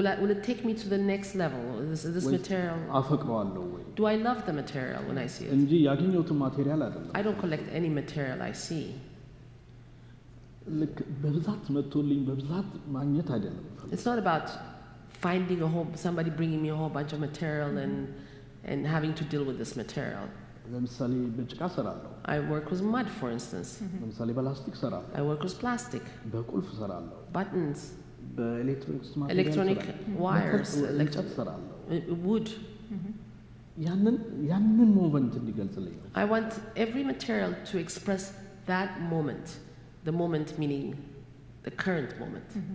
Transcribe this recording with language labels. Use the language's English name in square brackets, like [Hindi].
[English] will it take me to the next level this material [Amharic] አፈቅረዋለሁ ወይ [English] do I love the material when I see it [Amharic] እንጂ ያገኘሁት ማቴሪያል አይደለም [English] I don't collect any material I see [Amharic] ልክ በብዛት መጥቶልኝ በብዛት ማግኘት አይደለም [English] it's not about finding a whole somebody bringing me a whole bunch of material and having to deal with this material [Amharic] ለምሳሌ በጭቃ ሰራለሁ [English] I work with mud for instance [Amharic] ለምሳሌ በላስቲክ ሰራለሁ [English] I work with plastic [Amharic] በቁልፍ ሰራለሁ [English] buttons [Amharic] በኤሌክትሮኒክስ ማለት [English] electronic wires [Amharic] electronic ሰራለሁ [English] wood [Amharic] ያንን moment እንዲገልጽልኝ [English] I want every material to express that moment the moment meaning the current moment